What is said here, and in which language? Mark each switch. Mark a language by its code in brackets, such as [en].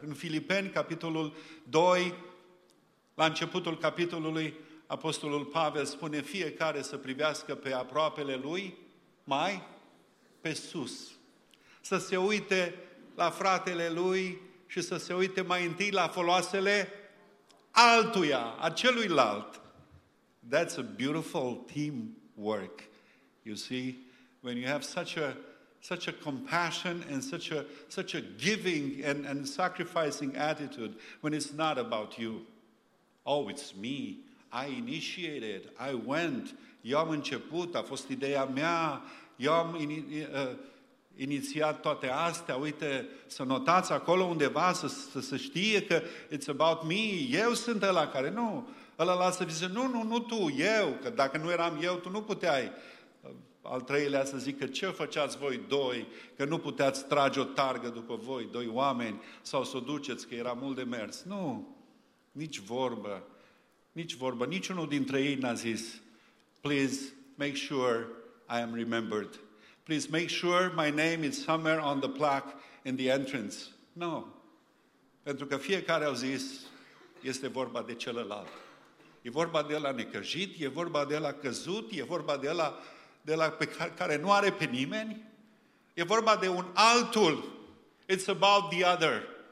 [ro] În Filipeni, capitolul 2, la începutul capitolului, Apostolul Pavel spune fiecare să privească pe aproapele lui mai pe sus. Să se uite la fratele lui și să se uite mai întâi la foloasele altuia, a celuilalt. [en] That's a beautiful teamwork. You see, when you have such a compassion and such a giving and sacrificing attitude, when it's not about you. Oh, it's me. I initiated. I went. [ro] Eu am început. A fost ideea mea. Eu am inițiat toate astea. Uite, să notați acolo undeva, să știe că [en] it's about me. [ro] Eu sunt ăla care... Nu. Ăla lasă zice, nu tu, eu. Că dacă nu eram eu, tu nu puteai. Al treilea să zică, ce făceați voi doi? Că nu puteați trage o targă după voi, doi oameni, sau să o duceți, că era mult de mers. Nu. Nici vorbă. Nici vorbă. Niciunul dintre ei n-a zis, [en] please make sure I am remembered. Please make sure my name is somewhere on the plaque in the entrance. No. [ro] Pentru că fiecare au zis, este vorba de celălalt. E vorba de ăla necăjit, e vorba de ăla căzut, e vorba de ăla pe care nu are pe nimeni. E vorba de un altul. [en] It's about the other.